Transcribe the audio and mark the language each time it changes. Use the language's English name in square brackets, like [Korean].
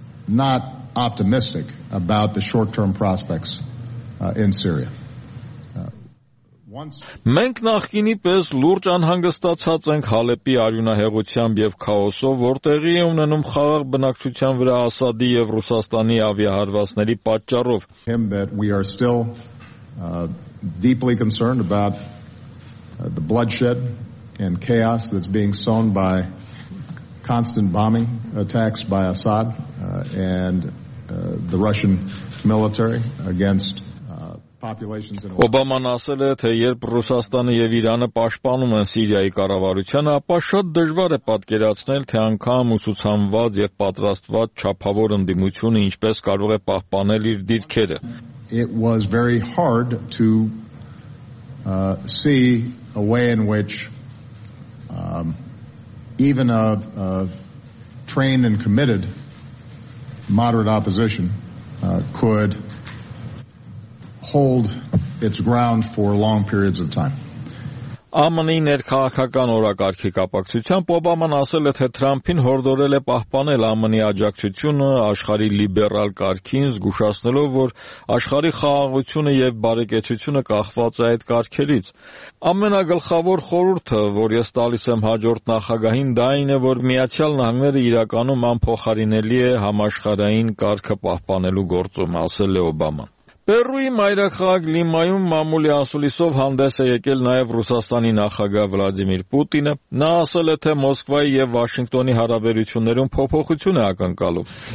[English] Not optimistic about the short-term prospects in Syria. [Armenian] Մենք նախկինի պես լուրջ անհանգստացած ենք Հալեպի արյունահեղությամբ եւ քաոսով, որտեղի է ունենում խաղաղ բնակչության վրա Ասադի եւ Ռուսաստանի ավիահարվածների պատճառով. [English] We are still deeply concerned about the bloodshed and chaos that's being sown by constant bombing attacks by Assad and the Russian military against [Armenian] Օբաման ասել է, թե երբ Ռուսաստանը եւ Իրանը պաշտպանում են Սիրիայի կառավարությունը, ապա շատ դժվար է պատկերացնել, թե անգամ ուսուցանված եւ պատրաստված չափավոր ընդդիմությունը ինչպես կարող է պահպանել իր դիրքերը. [English] It was very hard to see a way in which even a trained and committed moderate opposition could hold its ground for long periods of time. [Armenian] ԱՄՆ-ի ներքաղաքական օրակարգի կապակցությամբ Օբաման ասել է, թե Թրամփին հորդորել է պահպանել ԱՄՆ-ի աջակցությունը աշխարհի լիբերալ կարգին, զգուշացնելով, որ աշխարհի խաղաղությունը եւ բարեկեցությունը կախված է այդ կարգերից։ Ամենագլխավոր խորհուրդը, որ ես տալիս եմ հաջորդ նախագահին, դա այն է, որ Միացյալ Նահանգները իրականում անփոխարինելի է համաշխարհային կարգը պահպանելու գործում, ասել է Օբաման։ Պերուի մայրաքաղաք Լիմայում մամուլի ասուլիսով հանդես է եկել նաև Ռուսաստանի նախագահ Վլադիմիր Պուտինը։ Նա ասել է, թե Մոսկվայի և Վաշինգտոնի հարաբերություններում փոփոխություն է ակնկալում։